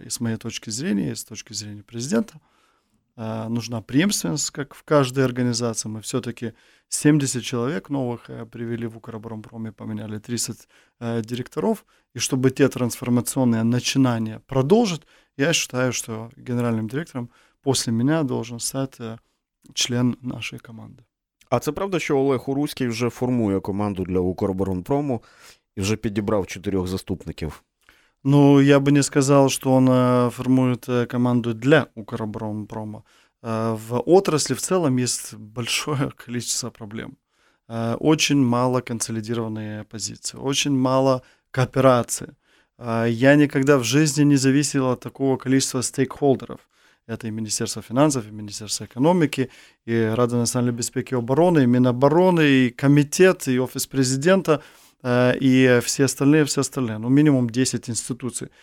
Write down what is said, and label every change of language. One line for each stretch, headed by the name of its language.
Russian: И с моей точки зрения, и с точки зрения президента, нужна преемственность, как в каждой организации. Мы все-таки 70 человек новых привели в «Укроборонпром» и поменяли 30 директоров. И чтобы те трансформационные начинания продолжить, я считаю, что генеральным директором после меня должен стать член нашей команды.
Ukrainian: А це правда, що Олег Уруський вже формує команду для «Укроборонпрому» і вже підібрав 4 заступників? Ну, я би не сказав, що він формує команду для «Укроборонпрому». В отраслі в цілому є велике кількість проблем.
Russian: Очень мало
Ukrainian: консолідованої позиції,
Russian: очень мало кооперації. Я никогда в жизни не зависел от такого количества стейкхолдеров. Это и Министерство финансов, и Министерство экономики, и Рада национальной безопасности и обороны, и Минобороны, и Комитет, и Офис президента, и все остальные, Ну, минимум 10 институций.